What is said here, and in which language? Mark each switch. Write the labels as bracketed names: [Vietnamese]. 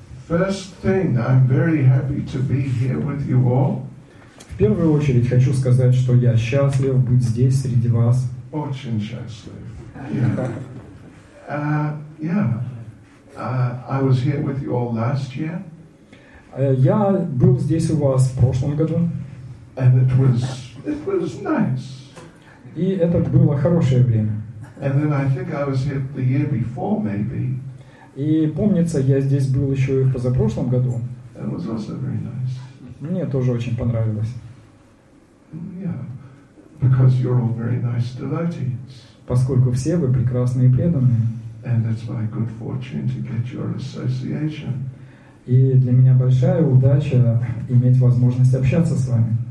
[English] First thing, I'm very happy to be here with you all. [Russian] В первую очередь хочу сказать, что я счастлив быть здесь среди вас. Очень счастлив. [English] I was here with you all last year. [Russian] Я был здесь у вас в прошлом году. [English] And it was nice. [Russian] И это было хорошее время. [English] And then I think I was here the year before, maybe. [Russian] И помнится, я здесь был еще и в позапрошлом году. [English] It was also very nice. [Russian] Мне тоже очень понравилось. [English] Yeah. Because you're all very nice devotees. [Russian] Поскольку все вы прекрасные преданные. [English] And it's my good fortune to get your association. [Russian] И для меня большая удача иметь возможность общаться с вами.